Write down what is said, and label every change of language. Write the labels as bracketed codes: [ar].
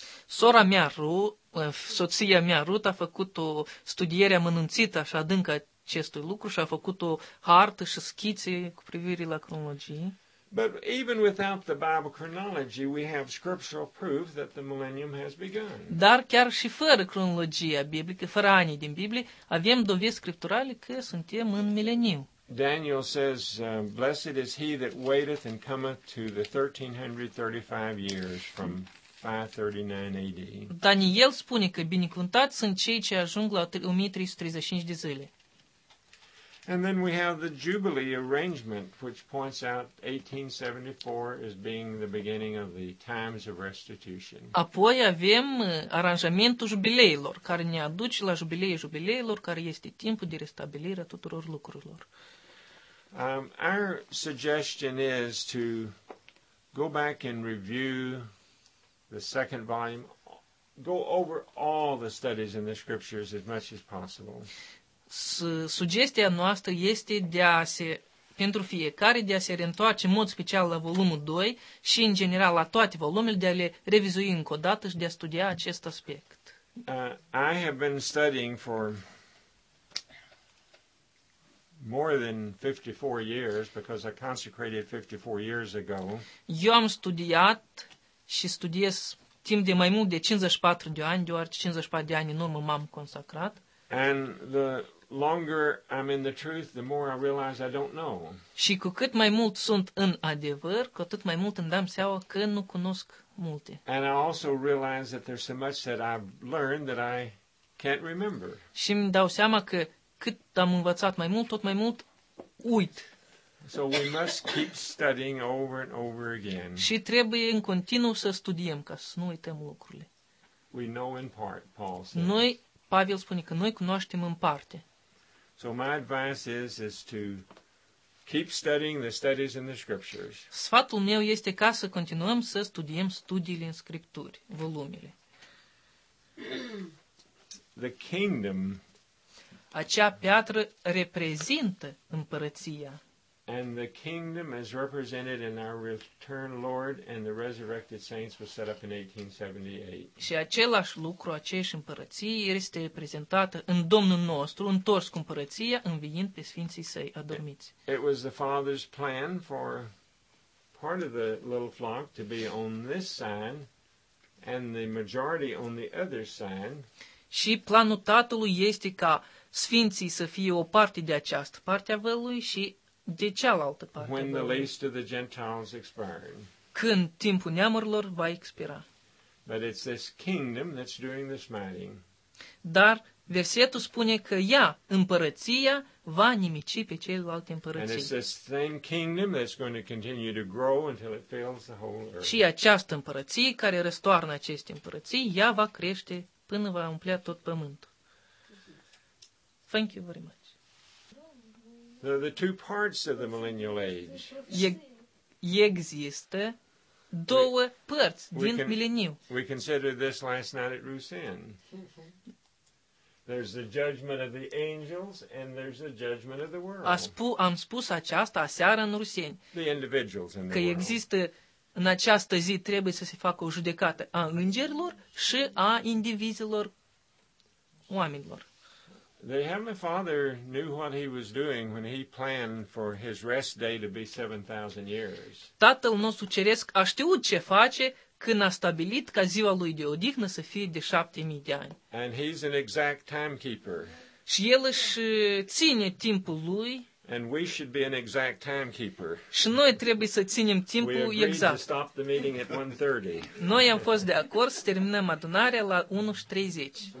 [ro] Sora mea, soția mea Ruth, a făcut o studiere amănunțită și adâncă acestui lucru și a făcut o hartă și schițe cu privire la cronologie. [en] But even without the Bible chronology, we have scriptural proof that the millennium has begun. [ro] Dar chiar și fără cronologia biblică, fără anii din Biblie, avem dovezi scripturale că suntem în mileniu. [en] Daniel says, blessed is he that waiteth and cometh to the 1335 years from 539 AD. [ro] Daniel spune că binecuvântați sunt cei ce ajung la 1335 de zile. [en] And then we have the jubilee arrangement, which points out 1874 as being the beginning of the times of restitution. [ro] Apoi avem aranjamentul jubileilor, care ne aduce la jubileul jubileilor, care este timpul de restabilire a tuturor lucrurilor. [en] Our suggestion is to go back and review the second volume, go over all the studies in the scriptures as much as possible. [ro] Sugestia noastră este de a se, pentru fiecare, de a se reîntoarce în mod special la volumul 2 și, în general, la toate volumele, de a le revizui încă o dată și de a studia acest aspect. [en] I have been studying for more than 54 years, because I consecrated 54 years ago. [ro] Eu am studiat și studiez timp de mai mult de 54 de ani, deoarece 54 de ani în urmă m-am consacrat. [en] And the longer I'm in the truth, the more I realize I don't know. [ro] Și cu cât mai mult sunt în adevăr, cu atât mai mult îmi dam seama că nu cunosc multe. [en] And I also realize that there's so much that I've learned that I can't remember. [ro] Și îmi dau seama că cât am învățat mai mult, tot mai mult uit. [en] So we must keep studying over and over again. [ro] Și trebuie în continuu să studiem ca să nu uităm lucrurile. [en] We know in part, Paul says. [ro] Noi Pavel spune că noi cunoaștem în parte. [en] So my advice is to keep studying the studies in the scriptures. [ro] Sfatul meu este ca să continuăm să studiem studiile în scripturi, volumele. [en] The kingdom. [ro] Acea piatră reprezintă împărăția. [en] And the kingdom is represented in our returned Lord and the resurrected saints was set up in 1878. [ro] Și același lucru, aceeași împărăție, este reprezentată în Domnul nostru, întors cu împărăția, înviind pe sfinții săi adormiți. [en] It was the Father's plan for part of the little flock to be on this side and the majority on the other side. [ro] Și planul Tatălui este ca sfinții să fie o parte de această parte a vălului și de cealaltă parte. [en] When the least of the Gentiles expired. [ro] Când timpul neamurilor va expira. [en] But it's this kingdom that's doing the smiting. [ro] Dar versetul spune că ea, împărăția, va nimici pe ceilalți împărății. [en] And it's this same kingdom that's going to continue to grow until it fills the whole earth. [ro] Și această împărăție care răstoarnă aceste împărății, ea va crește până va umplea tot pământul. [en] Thank you very much. The two parts of the millennial age. [ro] Există două părți din mileniu. [en] We considered this last night at Rusin. There's the judgment of the angels and there's the judgment of the world. [ro] Am spus aceasta aseară în Rusin. [en] The individuals in the [ro] că [en] world. [ro] Există în această zi trebuie să se facă o judecată a îngerilor și a indivizilor oamenilor. [en] The Heavenly Father knew what he was doing when he planned for his rest day to be 7,000 years. [ro] Tatăl nostru ceresc a știut ce face când a stabilit ca ziua lui de odihnă să fie de 7,000 de ani. [en] And he's an exact timekeeper. [ro] Și el își ține timpul lui. [en] And we should be an exact timekeeper. [ro] Și noi trebuie să ținem timpul exact. [en] We agreed to stop the meeting at 1:30. [ro] Noi am fost de acord să terminăm adunarea la 1:30.